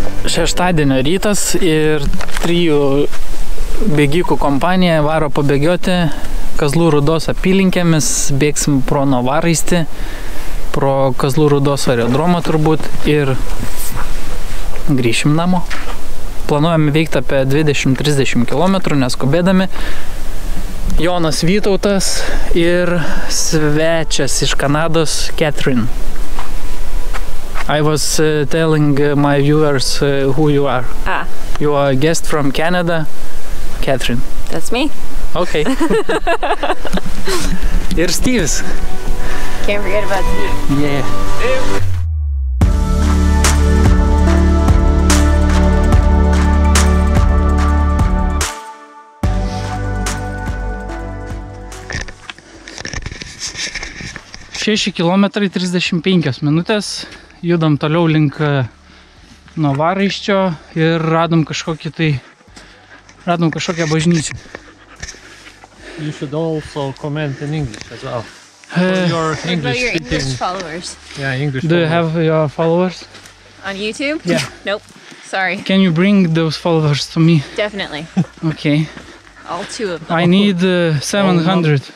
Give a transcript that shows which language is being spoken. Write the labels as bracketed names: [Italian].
[Lithuanian] Šeštadienio rytas ir trijų bėgikų kompanija varo pabėgioti Kazlų Rūdos apylinkėmis, bėgsim pro Novaraistį, pro Kazlų Rūdos aerodromą turbūt ir grįšim namo. Planuojam veikti apie 20-30 km, neskubėdami. Jonas Vytautas ir svečias iš Kanados, Katherine. [English] I was telling my viewers who you are. Ah. You are a guest from Canada, Katherine. That's me. Okay. [Lithuanian] Ir Steve's. [English] Can't forget about Steve. Yeah. [Lithuanian] Šeši kilometrai 35 minutės. Judam toliau link Novaraisčio ir radom kažkokią bažnyčią. [English] You should also comment in English as well. For your English followers. Yeah, English. Do you have your followers? On YouTube? Yeah. Nope. Sorry. Can you bring those followers to me? Definitely. Okay. All two of them. I need 700.